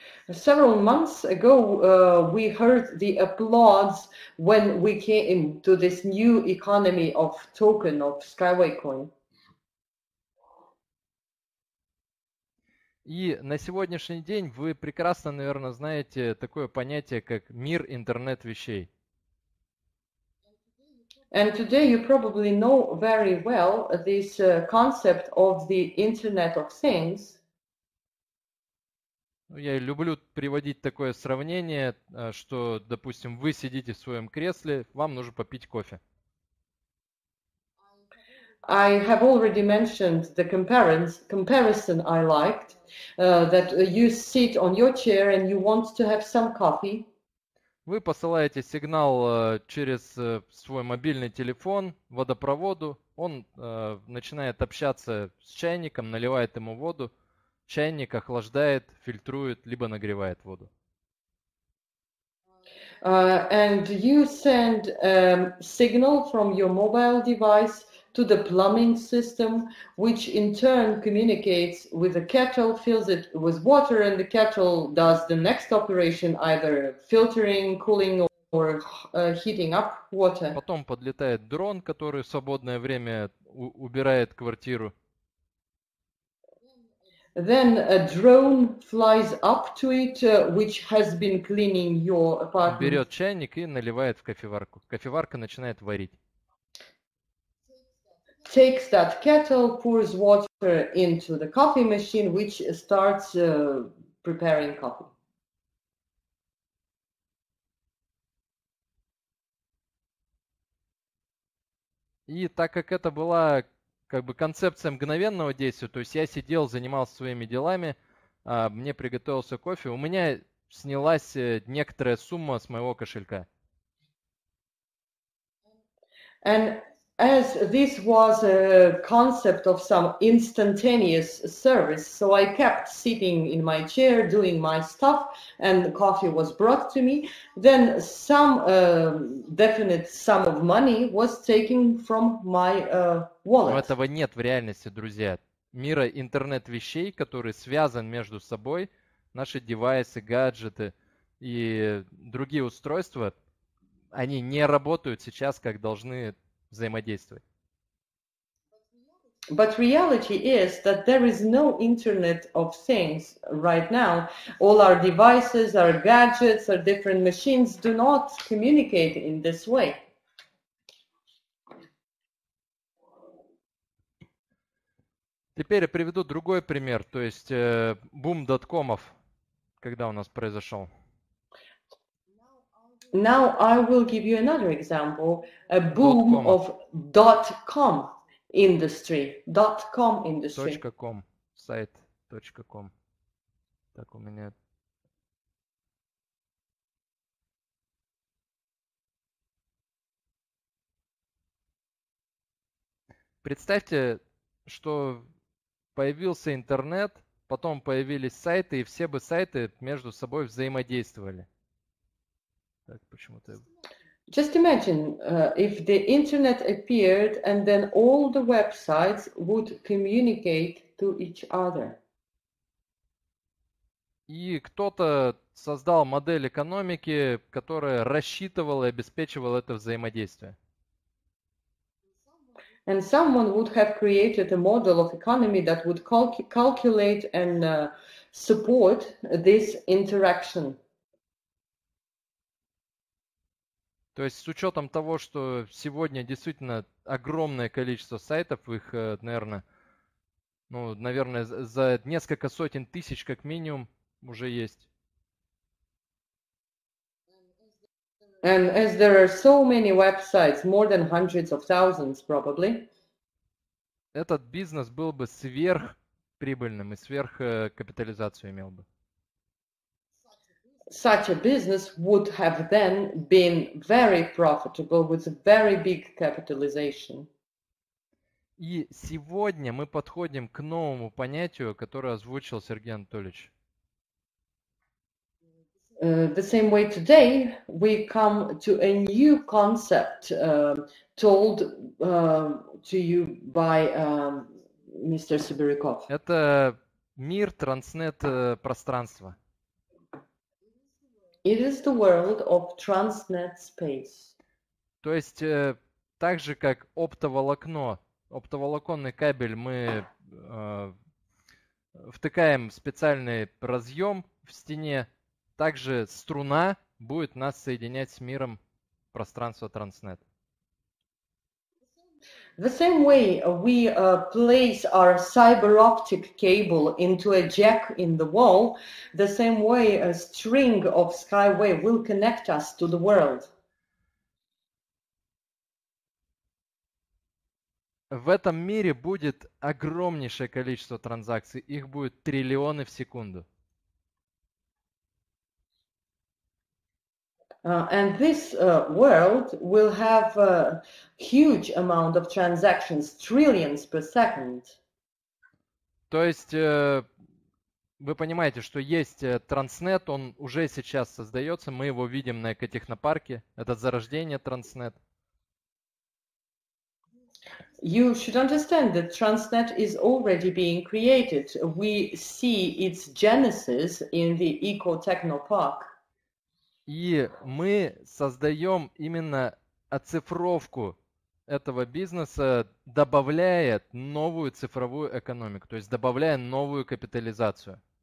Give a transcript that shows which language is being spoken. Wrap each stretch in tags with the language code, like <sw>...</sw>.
<en>Several months ago we heard the applause when we came to this new economy of token of Skyway coin.</en> <ru>И на сегодняшний день вы прекрасно, наверное, знаете такое понятие, как мир интернет-вещей.</ru> <en>And today you probably know very well this concept of the Internet of Things.</en> <ru>Я люблю приводить такое сравнение, что, допустим, вы сидите в своем кресле, вам нужно попить кофе.</ru> <en>I have already mentioned the comparison I liked, that you sit on your chair and you want to have some coffee.</en> <ru>Вы посылаете сигнал через свой мобильный телефон водопроводу, он начинает общаться с чайником, наливает ему воду, чайник охлаждает, фильтрует, либо нагревает воду.</ru> <en>And you send signal from your mobile device to the plumbing system, which in turn communicates with the kettle, fills it with water, and the kettle does the next operation, either filtering, cooling, or heating up water.</en> <ru>Потом подлетает дрон, который в свободное время убирает квартиру.</ru> <en>Then a drone flies up to it, which has been cleaning your apartment.</en> <ru>Берет чайник и наливает в кофеварку. Кофеварка начинает варить.</ru> <en>Takes that kettle, pours water into the coffee machine, which starts preparing coffee.</en> <ru>И так как это была как бы концепция мгновенного действия, то есть я сидел, занимался своими делами, мне приготовился кофе, у меня снялась некоторая сумма с моего кошелька.</ru> <en>And as this was a concept of some instantaneous service, so I kept sitting in my chair doing my stuff, and the coffee was brought to me. Then some definite sum of money was taken from my wallet.</en> <ru>Но этого нет в реальности, друзья. Мира интернет вещей, который связан между собой, наши девайсы, гаджеты и другие устройства, они не работают сейчас, как должны взаимодействовать.</ru> <en>But reality is that there is no Internet of Things right now. All our devices, our gadgets, our different machines do not communicate in this way.</en> <ru>Теперь я приведу другой пример, то есть бум доткомов, когда у нас произошел.</ru> <en>Now I will give you another example, a boom of dot-com industry, dot-com industry.</en> <ru>.com, сайт .com. Так, у меня... Представьте, что появился интернет, потом появились сайты, и все бы сайты между собой взаимодействовали. Так, почему-то...</ru> <en>Just imagine if the internet appeared and then all the websites would communicate to each other.</en> <ru>И кто-то создал модель экономики, которая рассчитывала и обеспечивала это взаимодействие.</ru> <en>And someone would have created a model of economy that would calculate and support this interaction.</en> <ru>То есть с учетом того, что сегодня действительно огромное количество сайтов, их, наверное, ну, наверное, за несколько сотен тысяч как минимум уже есть.</ru> <en>And as there are so many websites, more than hundreds of thousands probably.</en> <ru>Этот бизнес был бы сверхприбыльным и сверхкапитализацию имел бы.</ru> <en>Such a business would have then been very profitable with a very big capitalization.</en> <ru>И сегодня мы подходим к новому понятию, которое озвучил Сергей Анатольевич.</ru> <en>The same way today we come to a new concept told to you by Mr. Sibirikov.</en> <ru>Это мир транснет пространства.</ru> <en>It is the world of transnet space.</en> <ru>То есть так же как оптоволокно, оптоволоконный кабель мы втыкаем в специальный разъем в стене. Также струна будет нас соединять с миром пространства Transnet.</ru> <en>The same way we place our cyber optic cable into a jack in the wall, the same way a string of Skyway will connect us to the world.</en> <ru>В этом мире будет огромнейшее количество транзакций. Их будет триллионы в секунду.</ru> <en>And this world will have a huge amount of transactions, trillions per second.</en> <ru>То есть вы понимаете, что есть Transnet, он уже сейчас создается, мы его видим на Экотехнопарке, это зарождение Transnet.</ru> <en>You should understand that Transnet is already being created. We see its genesis in the Ecotechnopark.</en> <ru>И мы создаем именно оцифровку этого бизнеса, добавляя новую цифровую экономику, то есть добавляя новую капитализацию.</ru>